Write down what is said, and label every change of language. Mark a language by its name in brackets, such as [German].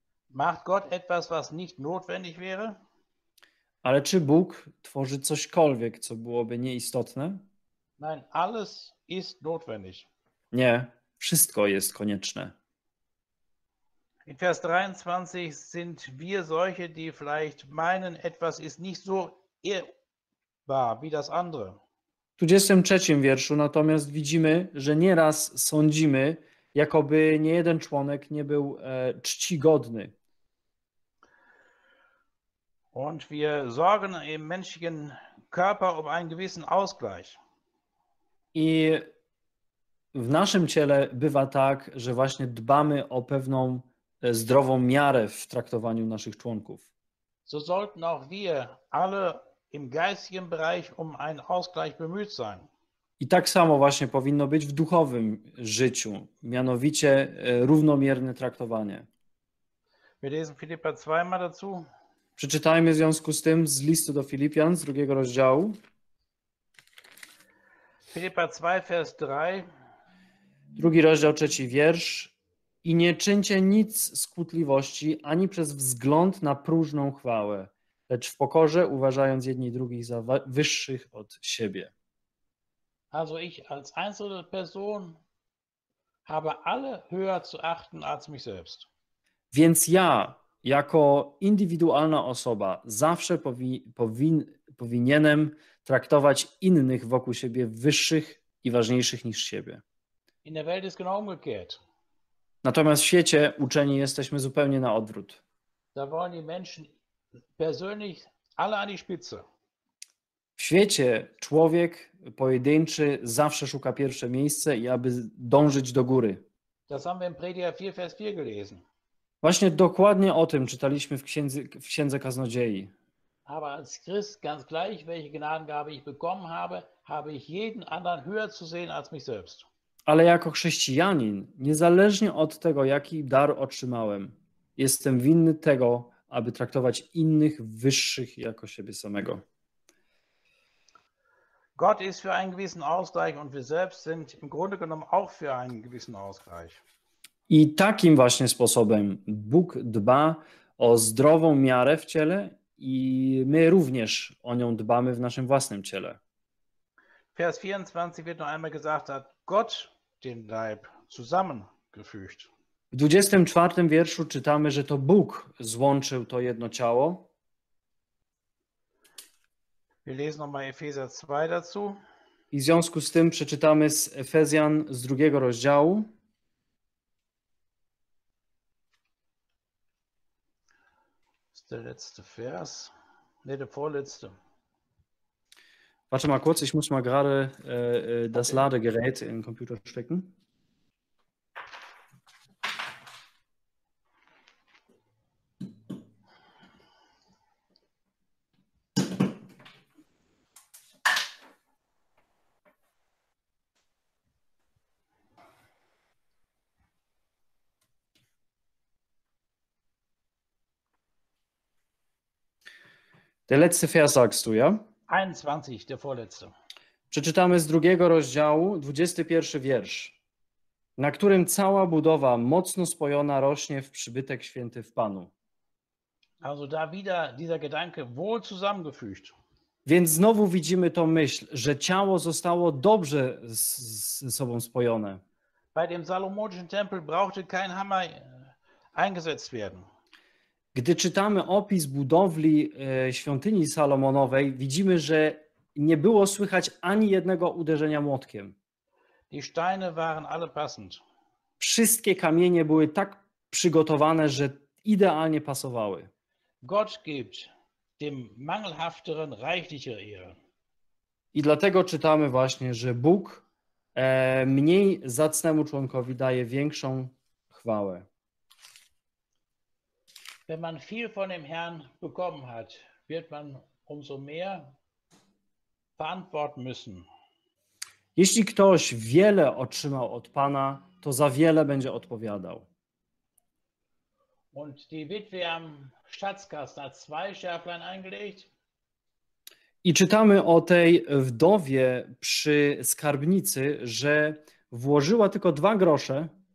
[German] Macht Gott etwas, was nicht notwendig wäre? [Polish] Ale czy Bóg tworzy cośkolwiek, co byłoby nieistotne? [German] Nein, alles ist notwendig. [Polish] Nie, wszystko jest konieczne. [German] In Vers 23 sind wir solche, die vielleicht meinen, etwas ist nicht so ehrbar wie das andere. [Polish] W 23 wierszu natomiast widzimy, że nieraz sądzimy, jakoby nie jeden członek nie był czcigodny. [German] Und wir sorgen im menschlichen Körper um einen gewissen Ausgleich. [Polish] I w naszym ciele bywa tak, że właśnie dbamy o pewną zdrową miarę w traktowaniu naszych członków. [German] So sollten auch wir alle im geistigen Bereich um einen Ausgleich bemüht sein. [Polish] I tak samo właśnie powinno być w duchowym życiu, mianowicie równomierne traktowanie. [German] Wir lesen Philippa 2 mal dazu. [Polish] Przeczytajmy w związku z tym z listu do Filipian, z drugiego rozdziału. [German] Filipa 2, vers 3. [Polish] Drugi rozdział, trzeci wiersz. I nie czyńcie nic z kutliwości, ani przez wzgląd na próżną chwałę, lecz w pokorze uważając jedni drugich za wyższych od siebie. [German] Also ich als einzelne Person habe alle höher zu achten als mich selbst. [Polish] Więc ja jako indywidualna osoba zawsze powinienem traktować innych wokół siebie wyższych i ważniejszych niż siebie. [German] In der Welt ist genau umgekehrt. [Polish] Natomiast w świecie uczeni jesteśmy zupełnie na odwrót. [German] Da wollen die Menschen persönlich alle an die Spitze. [Polish] W świecie człowiek pojedynczy zawsze szuka pierwsze miejsce i aby dążyć do góry. [German] Das haben wir in Prediger 4, Vers 4 gelesen. [Polish] Właśnie dokładnie o tym czytaliśmy w księdze Kaznodziei. [German] Aber als Christ ganz gleich, welche Gnadengabe ich bekommen habe, habe ich jeden anderen höher zu sehen als mich selbst. [Polish] Ale jako chrześcijanin, niezależnie od tego, jaki dar otrzymałem, jestem winny tego, aby traktować innych wyższych jako siebie samego. [German] Gott ist für einen gewissen Ausgleich und wir selbst sind im Grunde genommen auch für einen gewissen Ausgleich. [Polish] I takim właśnie sposobem Bóg dba o zdrową miarę w ciele i my również o nią dbamy w naszym własnym ciele. [German] Vers 24 wird noch einmal gesagt, hat Gott den Leib zusammengefügt. [Polish] W 24 wierszu czytamy, że to Bóg złączył to jedno ciało. [German] Wir lesen noch mal Epheser 2 dazu. [Polish] I w związku z tym przeczytamy z Efezjan z drugiego rozdziału. [German] Der letzte Vers, nee, der vorletzte. Warte mal kurz, ich muss mal gerade das Ladegerät in den Computer stecken. Der letzte Vers sagst du, ja? 21, der vorletzte. [Polish] Przeczytamy z drugiego rozdziału, 21 wiersz, na którym cała budowa mocno spojona rośnie w przybytek święty w Panu. [German] Also da wieder dieser Gedanke wohl zusammengefügt. [Polish] Więc znowu widzimy tą myśl, że ciało zostało dobrze ze sobą spojone. [German] Bei dem Salomonischen Tempel brauchte kein Hammer eingesetzt werden. [Polish] Gdy czytamy opis budowli świątyni Salomonowej, widzimy, że nie było słychać ani jednego uderzenia młotkiem. [German] Die Steine waren alle passend. [Polish] Wszystkie kamienie były tak przygotowane, że idealnie pasowały. [German] Gott gibt dem mangelhafteren reichliche Ehre. [Polish] I dlatego czytamy właśnie, że Bóg mniej zacnemu członkowi daje większą chwałę. [German] Wenn man viel von dem Herrn bekommen hat, wird man umso mehr verantworten müssen. [Polish] Jeśli ktoś wiele otrzymał od Pana, to za wiele będzie odpowiadał. [German] Und die Witwe am Schatzkasten hat zwei Schärflein eingelegt. [Polish] I czytamy o tej wdowie przy skarbnicy, że włożyła tylko dwa grosze.